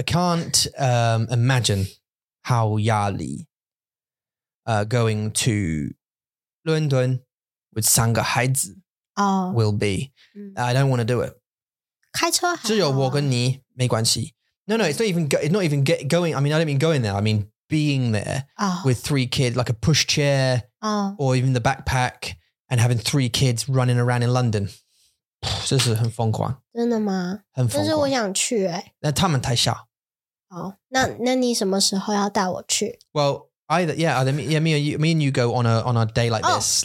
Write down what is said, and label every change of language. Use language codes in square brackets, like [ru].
[en] can't imagine how Yali going to London with [zh] 三个孩子 [en] will be. I don't want to do it. [zh] 开车只有我跟你没关系。 [en] No, no, it's not even going. I mean, I don't mean going there. I mean being there with three kids, like a push chair or even the backpack and having three kids running around in London. [zh] 这是很疯狂。真的吗？很疯狂。但是我想去。那他们太小。那你什么时候要带我去? [en] Well, me and you go on a day like this.